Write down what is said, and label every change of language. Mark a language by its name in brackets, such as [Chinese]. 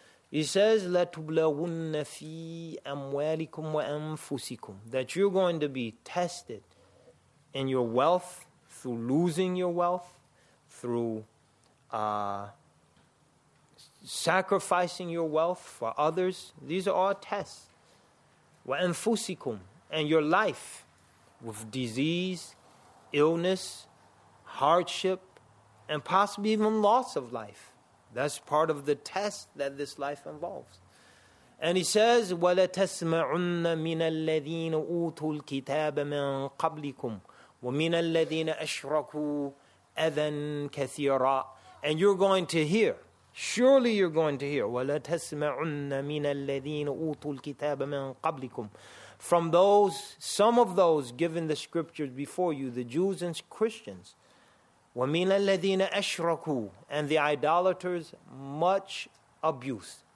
[English] He says, [Arabic] لَتُبْلَوُنَّ فِي أَمْوَالِكُمْ وَأَنفُسِكُمْ [English] That you're going to be tested in your wealth, through losing your wealth, through sacrificing your wealth for others. These are all tests. [Arabic] وَأَنفُسِكُمْ [English] And your life with disease, illness, hardship, and possibly even loss of life. That's part of the test that this life involves. [Arabic] And he says, وَلَتَسْمَعُنَّ مِنَ الَّذِينَ أُوتُوا الْكِتَابَ مِنْ قَبْلِكُمْ وَمِنَ الَّذِينَ أَشْرَكُوا أَذًا كَثِيرًا [English] And you're going to hear. Surely you're going to hear. [Arabic] وَلَتَسْمَعُنَّ مِنَ الَّذِينَ أُوتُوا الْكِتَابَ مِنْ قَبْلِكُمْ [English] From those, some of those given the scriptures before you, the Jews and Christians, [Arabic] وَمِنَ الَّذِينَ أَشْرَكُوا [English] And the idolaters, much abuse.